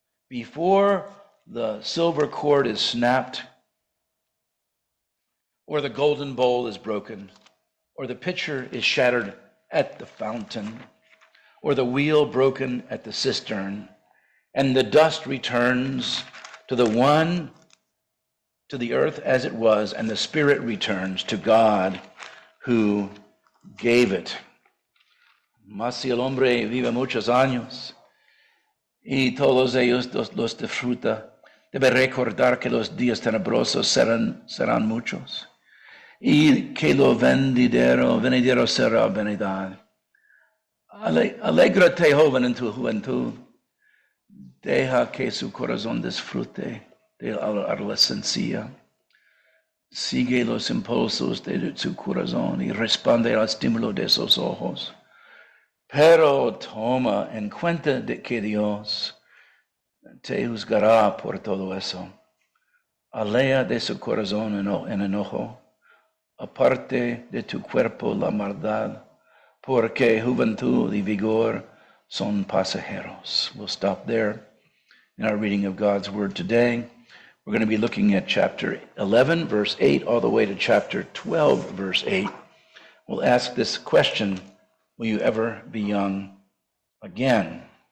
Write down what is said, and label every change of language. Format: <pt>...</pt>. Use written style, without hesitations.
<en>Before the silver cord is snapped, or the golden bowl is broken, or the pitcher is shattered at the fountain, or the wheel broken at the cistern, and the dust returns to the one, to the earth as it was, and the spirit returns to God who gave it.</en> <es>Mas si el hombre vive muchos años, y todos ellos los disfruta, debe recordar que los días tenebrosos serán muchos, y que lo venidero será vanidad. Alégrate, joven, en tu juventud. Deja que su corazón disfrute de la adolescencia. Sigue los impulsos de su corazón y responde al estímulo de sus ojos. Pero toma en cuenta de que Dios te juzgará por todo eso. Alea de su corazón en enojo. Aparte de tu cuerpo la maldad, porque juventud y vigor son pasajeros.</es> <en>We'll stop there. In our reading of God's word today, we're going to be looking at chapter 11, verse 8, all the way to chapter 12, verse 8. We'll ask this question, will you ever be young again?</en>